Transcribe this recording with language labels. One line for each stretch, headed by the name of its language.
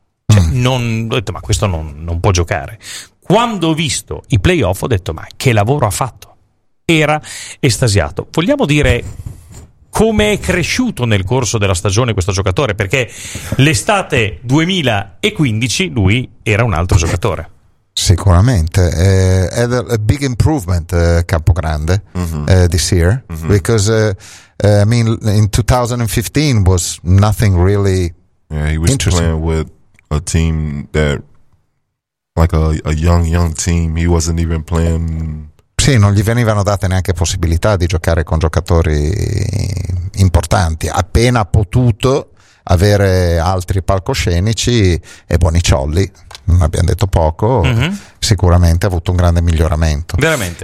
Italian: Cioè, ho detto: ma questo non può giocare. Quando ho visto i playoff, ho detto: ma che lavoro ha fatto? Era estasiato. Vogliamo dire come è cresciuto nel corso della stagione questo giocatore? Perché l'estate 2015 lui era un altro giocatore. Sicuramente
English: had a big improvement Campogrande this year because I mean in 2015 was nothing really he was interesting. Playing with a team that like a young team, he wasn't even playing.
Italian: Sì, non gli venivano date neanche possibilità di giocare con giocatori importanti, appena potuto avere altri palcoscenici e Boniciolli. non abbiamo detto poco, sicuramente ha avuto un grande miglioramento. Veramente.